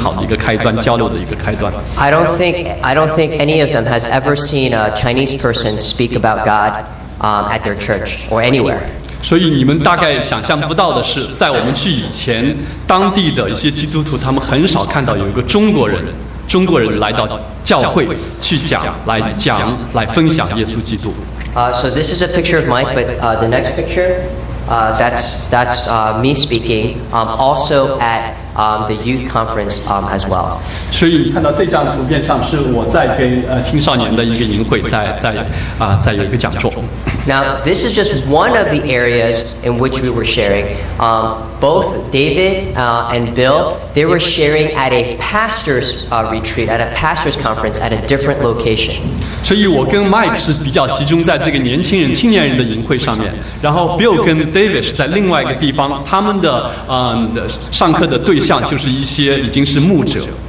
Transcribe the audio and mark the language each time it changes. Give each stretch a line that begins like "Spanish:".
Chinese: 所以我想对当地的人来说，这是一个很我们能够到那里去分享福音，去讲述耶稣基督，对当地人来说是一个很好的一个开端，交流的一个开端。
English: I don't think any of them has ever seen a Chinese person speak about God at their church or anywhere.
Chinese: 所以你们大概想象不到的是，在我们去以前，当地的一些基督徒，他们很少看到有一个中国人来到教会去讲、来分享耶稣基督。
English: So this is a picture of Mike, but the next picture, that's me speaking also at the youth conference as well.
Chinese: 所以你看到这张图片上是我在跟青少年的一个营会在有一个讲座。
English: Now this is just one of the areas in which we were sharing. Both David and Bill, they were sharing at a pastor's retreat, at a pastor's conference at a different location.
Chinese: 所以我跟Mike是比较集中在这个年轻人青年人的营会上面，然后 Bill 跟 David 是在另外一个地方，他们的上课的对象就是一些已经是牧者。